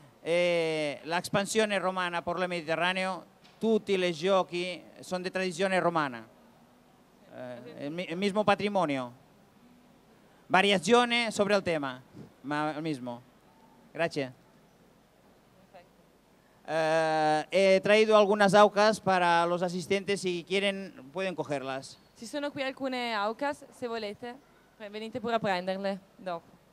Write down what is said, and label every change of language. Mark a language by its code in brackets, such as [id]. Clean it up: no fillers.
[it] La espansione romana per il Mediterraneo. Tutti i giochi sono di tradizione romana, [es] il mismo patrimonio, [it] variazione [es] sobre [it] il tema, ma [es] il mismo. [it] Grazie. [es] He traído algunas aucas para los asistentes, si quieren pueden cogerlas. [it] Ci sono qui alcune aucas, se volete, venite pure a prenderle dopo.